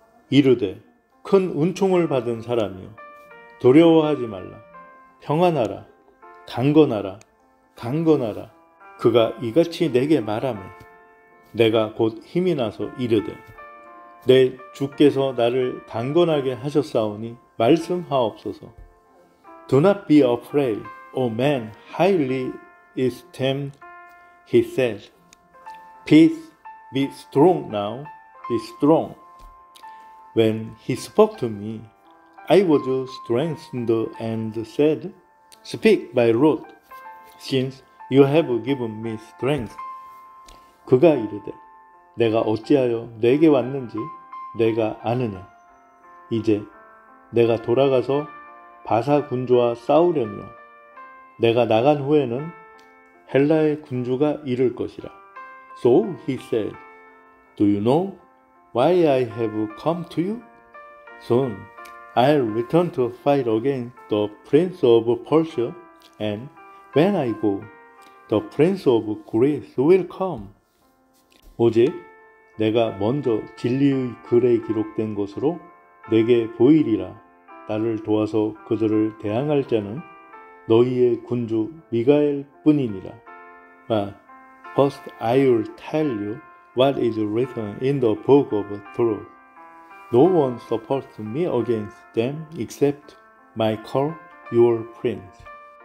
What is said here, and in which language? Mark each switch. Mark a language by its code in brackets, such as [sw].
[ko] 이르되, 큰 은총을 받은 사람이여, 두려워하지 말라, 평안하라, 강건하라, 강건하라. 그가 이같이 내게 말하며 내가 곧 힘이 나서 이르되, 내 주께서 나를 강건하게 하셨사오니 말씀하옵소서. [en] Do not be afraid, O man highly esteemed, he said. Peace, be strong now, be strong. When he spoke to me, I was strengthened and said, Speak, my Lord, since you have given me strength. [ko] 그가 이르되, 내가 어찌하여 내게 왔는지 내가 아느냐. 이제 내가 돌아가서 바사 군주와 싸우려며 내가 나간 후에는 헬라의 군주가 이를 것이라. [en] So he said, Do you know why I have come to you? Soon I'll return to fight against the prince of Persia, and when I go, the prince of Greece will come. [ko] 오직 내가 먼저 진리의 글에 기록된 것으로 내게 보이리라. 나를 도와서 그들을 대항할 자는 너희의 군주 미가엘 뿐이니라. [en] But first I will tell you what is written in the book of truth. No one supports me against them except Michael, your prince.